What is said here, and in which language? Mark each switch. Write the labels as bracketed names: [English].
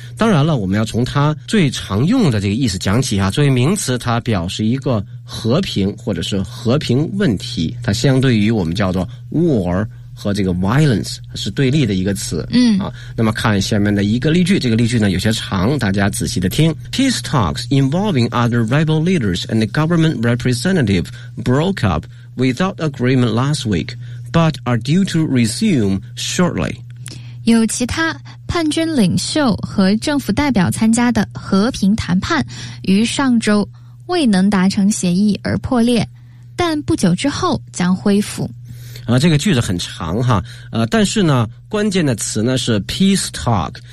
[Chinese] 当然了，我们要从它最常用的这个意思讲起啊。作为名词，它表示一个和平或者是和平问题，它相对于我们叫做 war 和这个 violence 是对立的一个词。那么看下面的一个例句，这个例句呢有些长，大家仔细的听。 [English] Peace talks involving other rebel leaders and the government representative broke up without agreement last week, but are due to resume shortly. [Chinese] 有其他叛军领袖和政府代表参加的和平谈判于上周未能达成协议而破裂，但不久之后将恢复。这个句子很长哈，但是呢，关键的词呢是 peace talk。